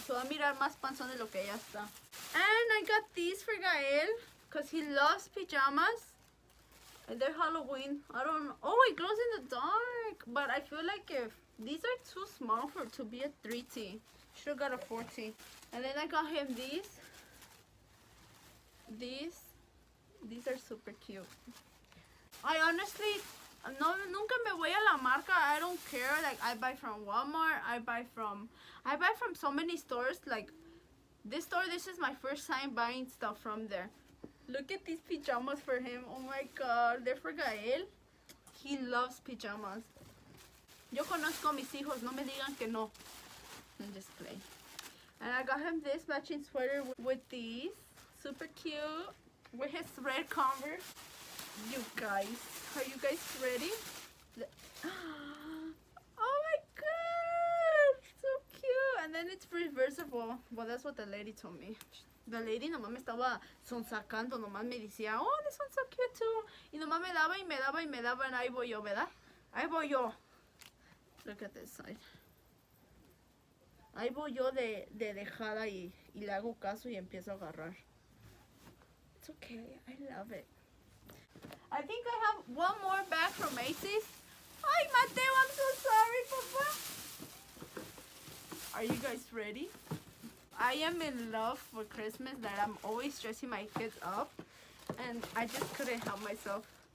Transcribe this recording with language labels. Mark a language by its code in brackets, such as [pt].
[es] So, a mirar más panzón de lo que ya está. [en] And I got these for Gael because he loves pajamas. And they're Halloween. I don't know. Oh, it glows in the dark. But I feel like if these are too small for to be a 3T. Should have got a 4T. And then I got him these. These are super cute. I honestly, [es] no, nunca me voy a la marca. [en] I don't care. Like, I buy from Walmart. I buy from so many stores. Like, this store, this is my first time buying stuff from there. Look at these pajamas for him. Oh my God. They're for Gael. He loves pajamas. [es] Yo conozco a mis hijos. No me digan que no. [en] And just play. And I got him this matching sweater with these. Super cute. With his red Converse. You guys. Are you guys ready? Oh my God. So cute. And then it's reversible. Well, that's what the lady told me. The lady [es] nomás me estaba sonsacando, nomás me decía, [en] oh, this one's so cute too. [es] Y nomás me daba y me daba y me daba, and ahí voy yo, ¿verdad? Ahí voy yo. [en] Look at this side. [es] Ahí voy yo de dejada y le hago caso y empiezo a agarrar. [en] It's okay, I love it. I think I have one more bag from Macy's. Ay, Mateo, I'm so sorry, papá. Are you guys ready? I am in love with Christmas, that I'm always dressing my kids up, and I just couldn't help myself.